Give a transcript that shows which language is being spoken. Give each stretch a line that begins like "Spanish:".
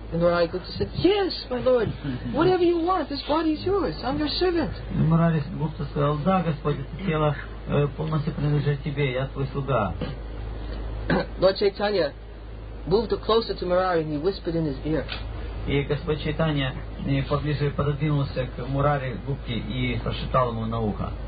English: And Murari Gupta said, yes, my Lord, whatever you want, this body is yours, I'm your servant.
Russian: Murari Gupta сказал, да, Господь, это тело полностью принадлежит тебе, я твой слуга.
English: Lord Chaitanya moved closer to Murari and he whispered in his ear.
Russian: И Господь Чайтанья поближе пододвинулся к Мурари Гупте и прошептал ему на ухо.